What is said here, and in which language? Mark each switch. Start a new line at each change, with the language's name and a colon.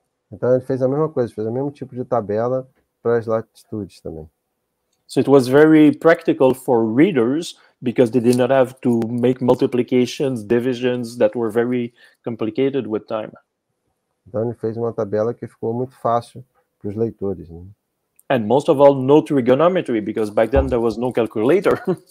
Portuguese: Então, ele fez a mesma coisa, fez o mesmo tipo de tabela para as latitudes também.
English: So, it was very practical for readers, because they did not have to make multiplications, divisions that were very complicated with time.
Portuguese: Então, ele fez uma tabela que ficou muito fácil para os leitores, né?
English: And most of all, no trigonometry, because back then there was no calculator.